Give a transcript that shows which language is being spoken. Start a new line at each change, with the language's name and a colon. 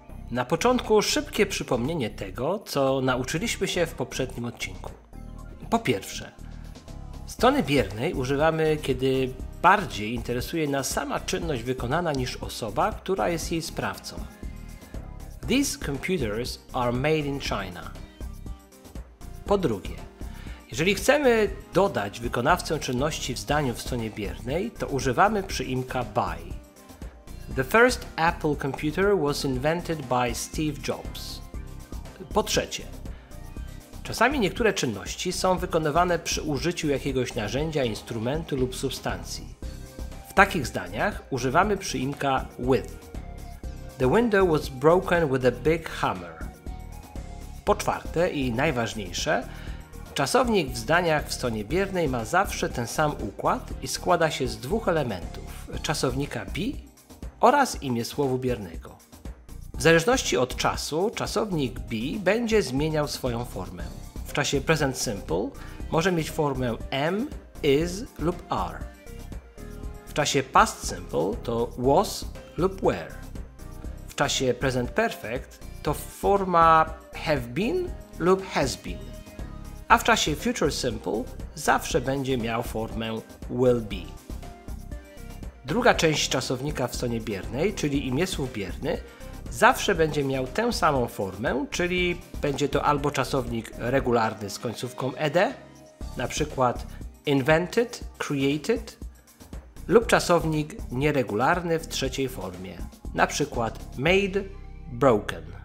Polish: Na początku szybkie przypomnienie tego, co nauczyliśmy się w poprzednim odcinku. Po pierwsze, strony biernej używamy, kiedy bardziej interesuje nas sama czynność wykonana niż osoba, która jest jej sprawcą.
English: These computers are made in China.
Polish: Po drugie, jeżeli chcemy dodać wykonawcę czynności w zdaniu w stronie biernej, to używamy przyimka by.
English: The first Apple computer was invented by Steve Jobs.
Polish: Po trzecie, czasami niektóre czynności są wykonywane przy użyciu jakiegoś narzędzia, instrumentu lub substancji. W takich zdaniach używamy przyimka with.
English: The window was broken with a big hammer.
Polish: Po czwarte i najważniejsze, czasownik w zdaniach w stronie biernej ma zawsze ten sam układ i składa się z dwóch elementów, czasownika be oraz imię słowu biernego. W zależności od czasu, czasownik be będzie zmieniał swoją formę. W czasie present simple może mieć formę am, is lub are. W czasie past simple to was lub were. W czasie present perfect to forma have been lub has been. A w czasie future simple zawsze będzie miał formę will be. Druga część czasownika w stronie biernej, czyli imię słów bierny, zawsze będzie miał tę samą formę, czyli będzie to albo czasownik regularny z końcówką ed, na przykład invented, created, lub czasownik nieregularny w trzeciej formie, na przykład made, broken.